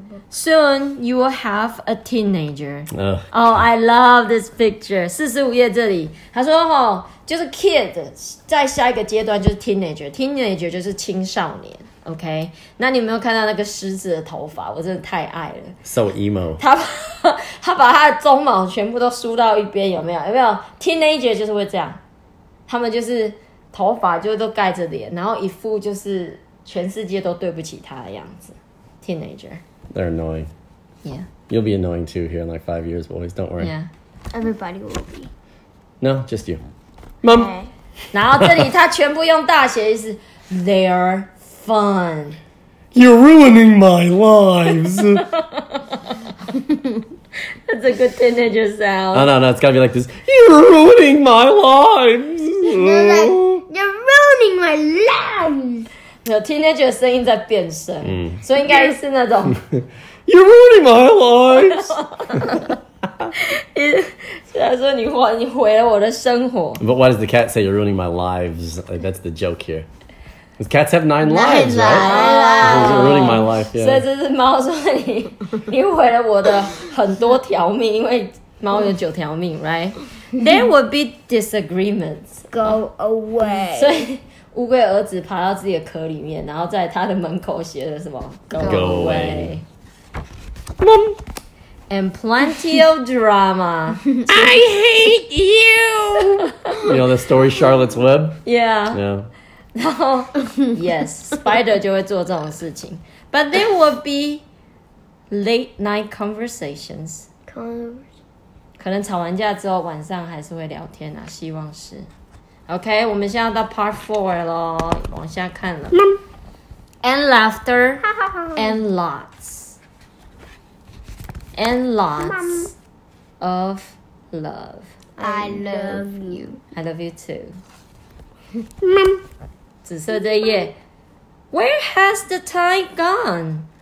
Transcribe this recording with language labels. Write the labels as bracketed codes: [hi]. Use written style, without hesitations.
[en] Soon, you will have a teenager. Oh, I love this picture. [zh] 45页这里，他说哈，就是 kid， 在下一个阶段就是 teenager， teenager 就是青少年。 OK， 那你有没有看到那个狮子的头发？我真的太爱了。 [en] So emo。 [zh] 他把他的鬃毛全部都梳到一边，有没有？有没有 ？Teenager 就是会这样，他们就是头发就都盖着脸，然后一副就是全世界都对不起他的样子。 [en] Teenager. They're annoying. Yeah. You'll be annoying too here in like 5 years, boys. Don't worry. Yeah. Everybody will be. No, just you. Mom! Okay. [zh] 然后这里他全部用大写是 [en] They're fun. You're ruining my lives. That's a good teenager sound. Oh, no, no. It's got to be like this. You're ruining my lives. You're ruining my lives. [zh] Teenager 声音在变声，所以应该是那种 [en] You're ruining my life. [zh] 虽然说你毁了我的生活。 [en] But why does the cat say you're ruining my lives? Like, that's the joke here. Because cats have nine lives, right? You're ruining my life, yeah. [zh] 所以这是猫说你毁了我的很多条命，因为猫有九条命， right? [en] There will be disagreements. Go away. [zh] 所以乌龟儿子爬到自己的壳里面，然后在他的门口写了什么 [en] ？Go away. Mom. And plenty of drama. I hate you. You know the story Charlotte's Web? Yeah. Yeah. [zh] 然后 ，Yes， Spider 就会做这种事情。 [en] But there will be late night conversations. [zh] 可能吵完架之后晚上还是会聊天啊，希望是。 OK， 我们现在到 Part 4 咯，往下看了。 [en] And laughter, and lots, and lots of love. I love you. I love you too. Mom, [zh] 紫色这页 [en] ，Where has the time gone?